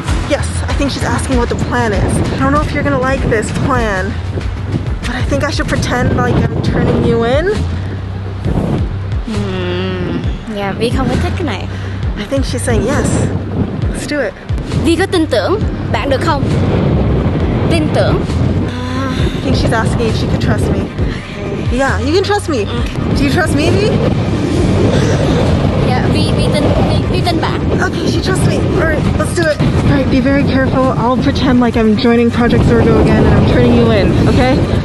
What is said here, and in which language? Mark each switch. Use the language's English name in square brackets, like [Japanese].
[English] Yes, I think she's asking what the plan is. I don't know if you're gonna like this plan, but I think I should pretend like I'm turning you in. [Vietnamese] Yeah, Vy không có thích cái này. [English] I think she's saying yes. Let's do it. [Vietnamese] Vy có tin tưởng bạn được không? Tin tưởng? [English] I think she's asking if she could trust me. Yeah, you can trust me. Do you trust me, Vy? [Vietnamese] Yeah, Vy tin bạn. [English] Okay, she trusts me. Alright, let's do it. Alright, be very careful. I'll pretend like I'm joining Project Zorgo again and I'm turning you in, okay?